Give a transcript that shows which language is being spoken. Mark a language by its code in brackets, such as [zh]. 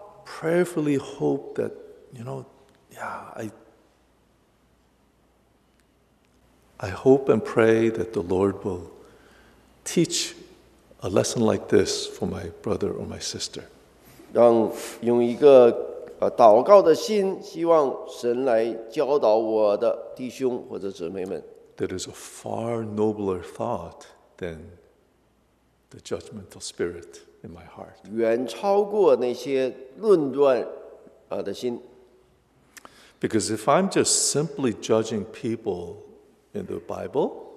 [en] Prayerfully hope that You know, yeah, I hope and pray that the Lord will teach a lesson like this for my brother or my sister. [zh] 用一个祷告的心，希望神来教导我的弟兄或者姊妹们。 [en] That is a far nobler thought than the judgmental spirit in my heart. [zh] 远超过那些论断的心。 [en] Because if I'm just simply judging people in the Bible,